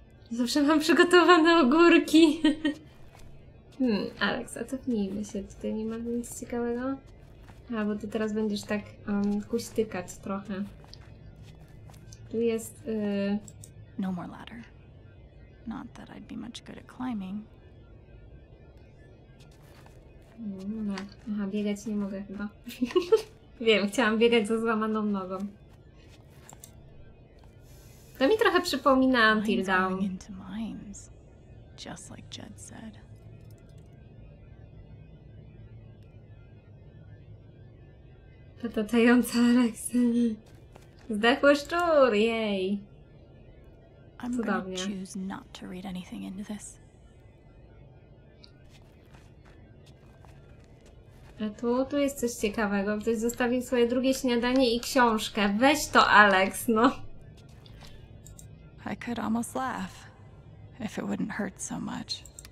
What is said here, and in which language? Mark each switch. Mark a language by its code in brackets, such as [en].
[pl] Zawsze mam przygotowane ogórki. Aleksa, cofnijmy się, tutaj nie ma nic ciekawego. A bo ty teraz będziesz tak kuśtykać trochę. Tu jest, [en] No more ladder. Not that I'd be much good at climbing. [pl] No, aha, biegać nie mogę chyba. Wiem, chciałam biegać ze złamaną nogą. To mi trochę przypomina Until Dawn. [en] Into mines, just like Jed said. [pl] To ta tająca Aleksa. Zdechły szczur, jej! Cudownie. [en] Choose not to read anything into this. [pl] A tu jest coś ciekawego. Ktoś zostawił swoje drugie śniadanie i książkę. Weź to, Alex, no. [en] I could almost laugh, if it wouldn't hurt so much.